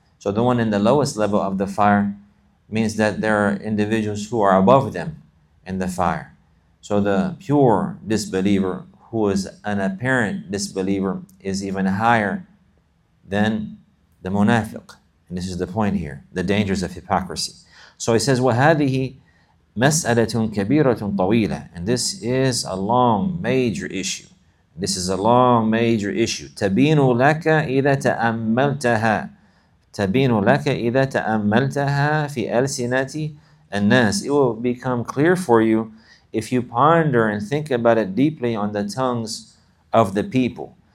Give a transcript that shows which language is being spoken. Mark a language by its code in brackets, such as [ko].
[en] So the one in the lowest level of the fire means that there are individuals who are above them in the fire. So the pure disbeliever, who is an apparent disbeliever, is even higher than the munafiq. And this is the point here, the dangers of hypocrisy. So he says, [ar] وَهَذِهِ مَسْأَلَةٌ كَبِيرَةٌ طَوِيلَةٌ. [en] And this is a long, major issue. This is a long, major issue. [ar] تَبِينُ لَكَ إِذَا تَأَمَّلْتَهَا تَبِينُ لَكَ إِذَا تَأَمَّلْتَهَا فِي أَلْسِنَةِ النَّاسِ. [en] It will become clear for you if you ponder and think about it deeply on the tongues of the people.